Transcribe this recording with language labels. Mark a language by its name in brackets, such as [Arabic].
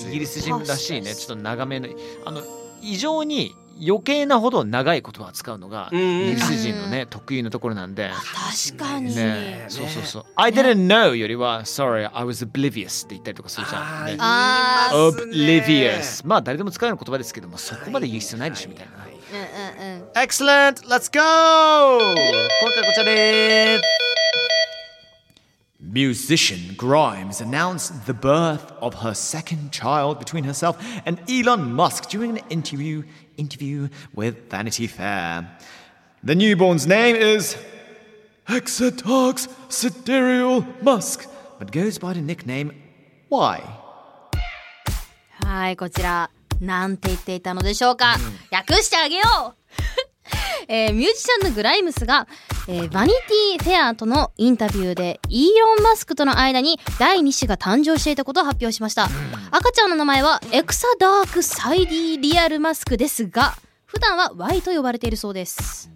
[Japanese] 人イギリス人らしいねちょっと長めのあの異常に余計なほど長い言葉を使うのがイギリス人のね特有のところなんで確かに、ね、そうそうそう、ね、 [English] I didn't know [Japanese] よりは [English] Sorry, I was oblivious [Japanese] って言ったりとかするじゃん、ね、 Oblivious まあ誰でも使うような言葉ですけどもそこまで言う必要ないでしょみたいな、はいはいうんうんうん、 [English] Excellent! Let's go! [Japanese] 今回はこちらです [English] Musician Grimes announced the birth of her second child between herself and Elon Musk during an interview with Vanity Fair. The newborn's name is Exatox Sidereal Musk, but goes by the nickname Y. [Japanese] はい、こちら。なんて言っていたのでしょうか、うん、訳してあげよう、ミュージシャンのグライムスが、バニティフェアとのインタビューでイーロン・マスクとの間に第2子が誕生していたことを発表しました、うん、赤ちゃんの名前はエクサダークサイディリアルマスクですが普段は Y と呼ばれているそうです